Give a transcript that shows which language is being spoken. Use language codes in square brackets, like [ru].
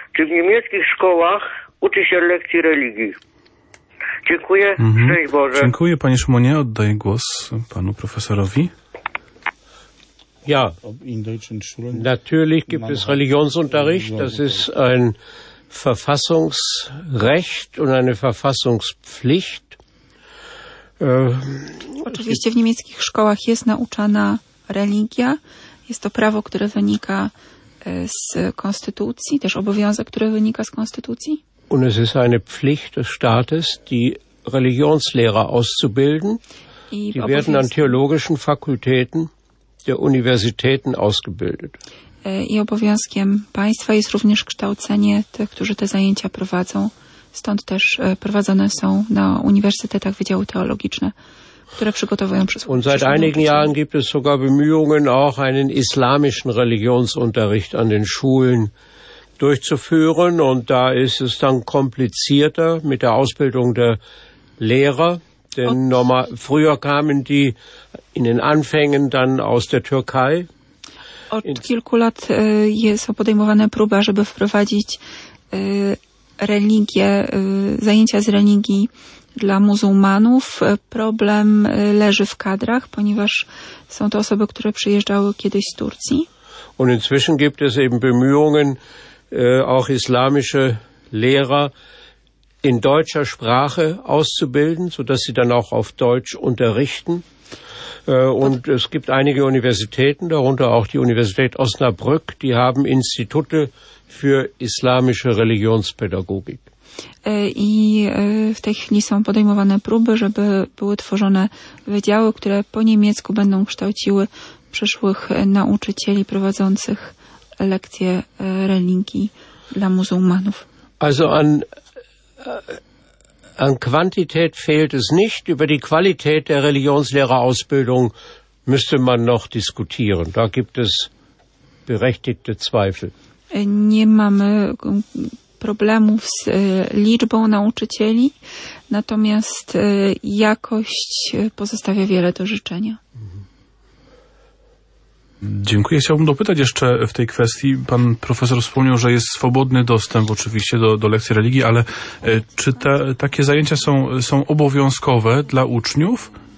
[pl] Czy w niemieckich szkołach uczy się lekcji religii? Dziękuję, Szczęść Boże. Dziękuję, panie Szymonie. Oddaję głos panu profesorowi. [de] Ja. In deutschen Schulen. Natürlich gibt es Religionsunterricht. Das ist ein Verfassungsrecht und eine Verfassungspflicht. [pl] Oczywiście w niemieckich szkołach jest nauczana religia. Jest to prawo, które wynika z konstytucji, też obowiązek, który wynika z konstytucji. [de] Und es ist eine Pflicht des Staates, die Religionslehrer auszubilden. Die werden an theologischen Fakultäten der Universitäten ausgebildet. [pl] I obowiązkiem państwa jest również kształcenie tych, którzy te zajęcia prowadzą. Stąd też prowadzone są na uniwersytetach wydziały teologiczne, które przygotowują przysłuchiwanie. [de] Und seit einigen Jahren gibt es sogar Bemühungen, auch einen islamischen Religionsunterricht an den Schulen durchzuführen. Und da ist es dann komplizierter mit der Ausbildung der Lehrer. Denn früher kamen die in den Anfängen dann aus der Türkei. [pl] Od kilku lat są podejmowane próby, żeby wprowadzić religię, zajęcia z religii dla muzułmanów. Problem leży w kadrach, ponieważ są to osoby, które przyjeżdżały kiedyś z Turcji. [de] Und inzwischen gibt es eben Bemühungen, auch islamische Lehrer in deutscher Sprache auszubilden, sodass sie dann auch auf Deutsch unterrichten. Und es gibt einige Universitäten, darunter auch die Universität Osnabrück, die haben Institute für islamische Religionspädagogik. [pl] I w tej chwili są podejmowane próby, żeby były tworzone wydziały, które po niemiecku będą kształciły przyszłych nauczycieli prowadzących lekcje religii dla muzułmanów. [de] Also an Quantität fehlt es nicht, über die Qualität der Religionslehrerausbildung müsste man noch diskutieren. Da gibt es berechtigte Zweifel. [pl] Nie mamy problemów z liczbą nauczycieli, natomiast jakość pozostawia wiele do życzenia. Dziękuję. Chciałbym dopytać jeszcze w tej kwestii. Pan profesor wspomniał, że jest swobodny dostęp oczywiście do lekcji religii, ale czy takie zajęcia są obowiązkowe dla uczniów?